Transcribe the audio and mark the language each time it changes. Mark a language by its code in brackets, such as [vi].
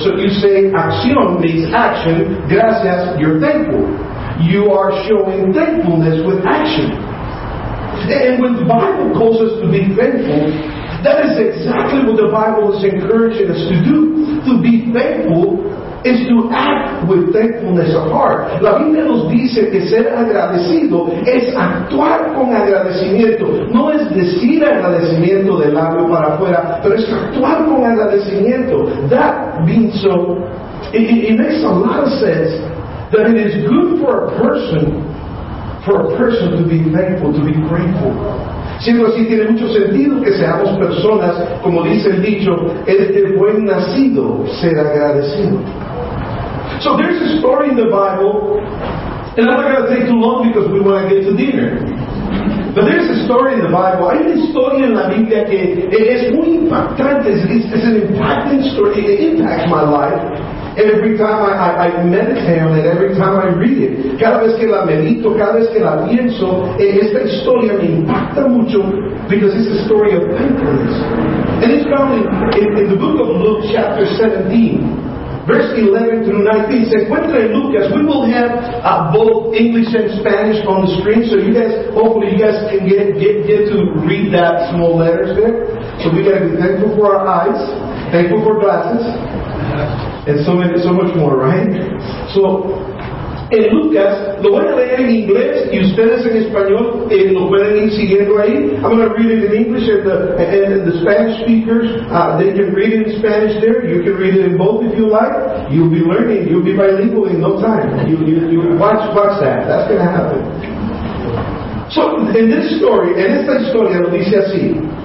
[en] So you say acción means action, gracias, you're thankful. You are showing thankfulness with action. And when the Bible calls us to be thankful, that is exactly what the Bible is encouraging us to do. To be thankful is to act with thankfulness of heart. [es] La Biblia nos dice que ser agradecido es actuar con agradecimiento. No es decir agradecimiento de labio para afuera, pero es actuar con agradecimiento. [en] That means so. It makes a lot of sense that it is good for a person to be thankful, to be grateful. [es] Siendo así, tiene mucho sentido que seamos personas, como dice el dicho, es de buen nacido ser agradecido. [en] So there's a story in the Bible, and I'm not going to take too long because we want to get to dinner. But there's a story in the Bible. [es] Hay una historia en la Biblia que es muy impactante. [en] It's an impacting story. It impacts my life. And every time I meditate on it, every time I read it, [es] cada vez que la medito, cada vez que la pienso, esta historia me impacta mucho [en] because it's a story of thankfulness. And it's found in the book of Luke, chapter 17, verse 11 through 19. [es] Se encuentra en Lucas. [en] We will have both English and Spanish on the screen, so you guys, hopefully you guys can get to read that small letters there. So we got to be thankful for our eyes, thankful for glasses. And so many, so much more, right? [es] So, en Lucas, lo voy a leer en inglés y ustedes en español lo pueden ir siguiendo ahí. [en] I'm going to read it in English and the Spanish speakers, they can read it in Spanish there. You can read it in both if you like. You'll be learning. You'll be bilingual in no time. You watch that. That's going to happen. So, in this story, [es] en esta historia, lo dice así.